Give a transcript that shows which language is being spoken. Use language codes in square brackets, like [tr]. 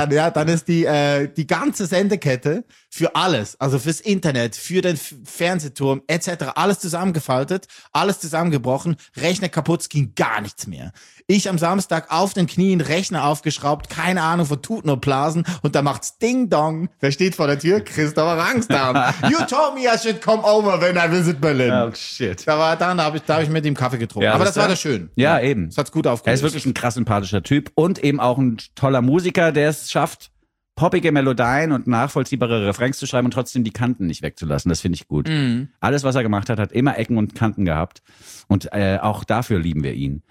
[de] Dann ist die ganze Sendekette für alles, also fürs Internet, für den Fernsehturm etc. alles zusammengefaltet, alles zusammengebrochen, Rechner kaputt, ging gar nichts mehr. Ich am Samstag auf den Knien, Rechner aufgeschraubt, keine Ahnung von Tuten und Blasen und da macht's Ding-Dong. Wer steht vor der Tür? Christopher Angstarm. [en] You told me I should come over when I visit Berlin. Oh shit. [de] Da habe ich mit ihm Kaffee getrunken. Ja, aber das war das schön. Ja, eben. Das hat's gut aufgelöst. Er ist wirklich ein krass sympathischer Typ und eben auch ein toller Musiker, der es schafft, poppige Melodien und nachvollziehbare Refrains zu schreiben und trotzdem die Kanten nicht wegzulassen. Das finde ich gut. Mm. Alles, was er gemacht hat, hat immer Ecken und Kanten gehabt. Und auch dafür lieben wir ihn.